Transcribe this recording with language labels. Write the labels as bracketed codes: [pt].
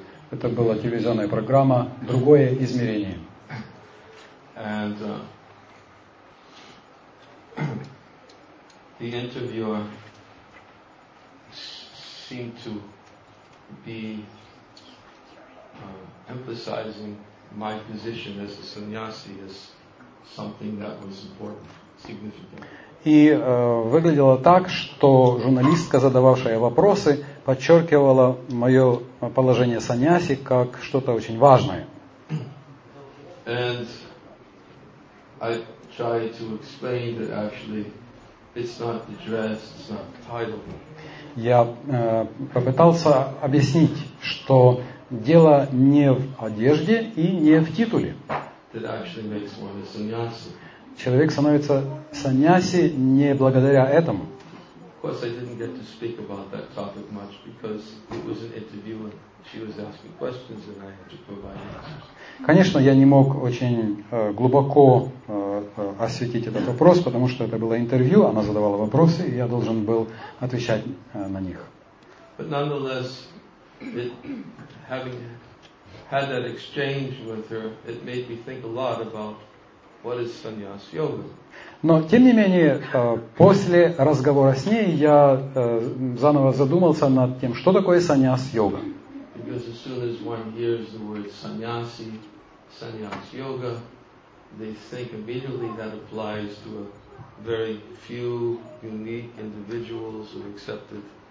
[ru] Это была телевизионная программа «Другое измерение». [en] And the interviewer seemed to be emphasizing my position as a sannyasi, as something that was important, significant. [ru] И выглядело так, что журналистка, задававшая вопросы, подчеркивала мое положение саньяси как что-то очень важное. [en] And I tried to explain that actually it's not the dress, it's not the title. [ru] Я попытался объяснить, что дело не в одежде и не в титуле. [en] That actually makes one a sannyasi. [ru] Человек становится саньяси не благодаря этому. [en] Of course, I didn't get to speak about that topic much because it was an interview and she was asking questions and I had to provide answers. [ru] Конечно, я не мог очень глубоко осветить этот вопрос, потому что это было интервью, она задавала вопросы, и я должен был отвечать на них. [en] But nonetheless, having had that exchange with her, it made me think a lot about what is sannyas yoga. [ru] Но тем не менее, после разговора с ней я заново задумался над тем, что такое sannyas yoga. [en] Because as soon as one hears the word sannyasi, sannyas yoga, they think immediately that applies to a very few unique individuals who accepted